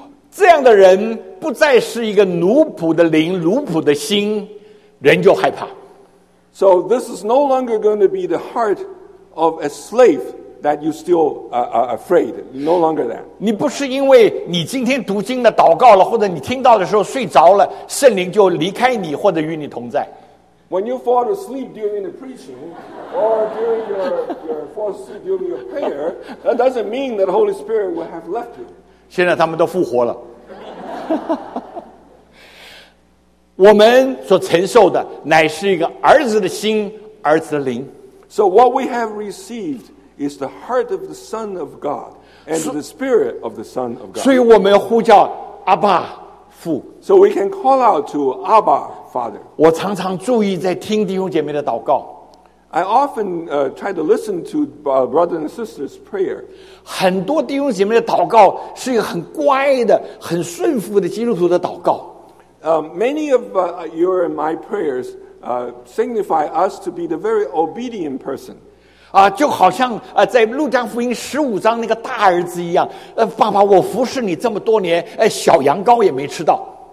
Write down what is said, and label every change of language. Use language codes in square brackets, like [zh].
[zh] 这样的人不再是一个奴仆的灵奴仆的心人就害怕。 [en] So this is no longer going to be the heart of a slave that you still are afraid. No longer that. [zh] 你不是因为你今天读经了祷告了或者你听到的时候睡着了圣灵就离开你或者与你同在。 [en] When you fall asleep during the preaching or during your prayer, that doesn't mean that the Holy Spirit will have left you. [zh] 现在他们都复活了。我们所承受的乃是一个儿子的心，儿子的灵。 [en] So what we have received is the heart of the Son of God and the Spirit of the Son of God. [zh] 所以我们呼叫阿爸父。 [en] So we can call out to Abba. [zh] 我常常注意在听弟兄姐妹的祷告。 [en] I often try to listen to brothers and sisters' prayer. [zh] 很多弟兄姐妹的祷告是一个很乖的、很顺服的基督徒的祷告。 [en] Many of your and my prayers signify us to be the very obedient person. [zh] 就好像在路加福音十五章那个大儿子一样，爸爸，我服侍你这么多年，小羊羔也没吃到。